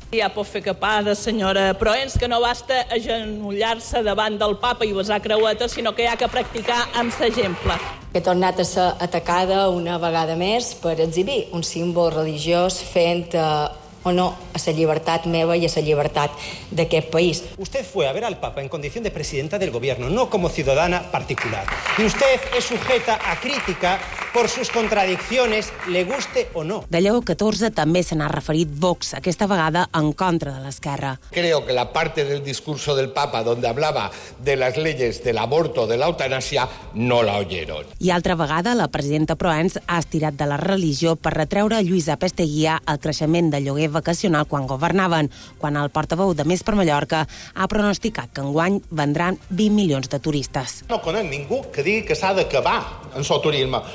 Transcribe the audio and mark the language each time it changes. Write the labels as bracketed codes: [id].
[ca] Ja pot fer capada, senyora Proens, que no basta agenollar-se davant del Papa i besar creuetes, sinó que hi ha que practicar amb l'exemple. He tornat a ser atacada una vegada més per exhibir un símbol religiós fent o no a la llibertat meva i a la llibertat d'aquest país. [es] Usted fue a ver al Papa en condición de presidenta del gobierno, no como ciudadana particular. Y usted es sujeta a crítica por sus contradicciones, le guste o no. [ca] De Lleó 14 també se n'ha referit Vox, aquesta vegada en contra de l'esquerra. [es] Creo que la parte del discurso del Papa donde hablaba de las leyes del aborto, de la eutanasia, no la oyeron. [ca] I altra vegada, la presidenta Proens ha estirat de la religió per retreure a Lluïsa Pesteguia el creixement del lloguer vacacional quan governaven, quan el portaveu de Més per Mallorca ha pronosticat que enguany vendran 20 milions de turistes. No conec ningú que digui que s'ha d'acabar en el turisme.